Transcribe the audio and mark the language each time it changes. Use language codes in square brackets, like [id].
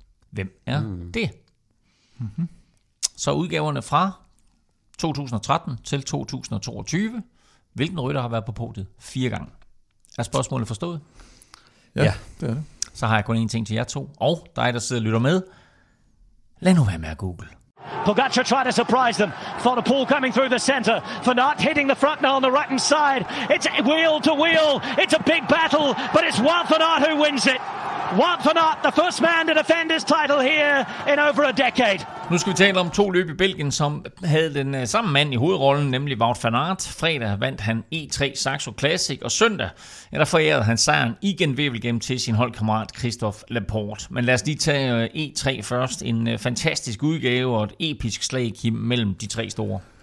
[da] Hvem er det? Mm-hmm. Så udgaverne fra 2013 til 2022. Hvilken rytter har været på podiet 4 gange? Er spørgsmålet forstået? Ja, det er det. Så har jeg kun én ting til jer to, og dig, der sidder og lytter med. Lad nu være med at google. [en] Pogacar trying to surprise them. Thought a pool coming through the center. Fanart hitting the front now on the right hand side. It's wheel to wheel. It's a big battle, but it's Wout van Aert who wins it. Wout van Aert, the first man to defend his title here in over a decade. [da] Nu skal vi tale om to løb i Belgien, som havde den samme mand i hovedrollen, nemlig Wout van Aert. Fredag vandt han E3 Saxo Classic, og søndag der forærede han sejren igen Wevelgem til sin holdkammerat Christophe Laporte. Men lad os lige tage E3 først. En fantastisk udgave og et episk slag mellem de tre store.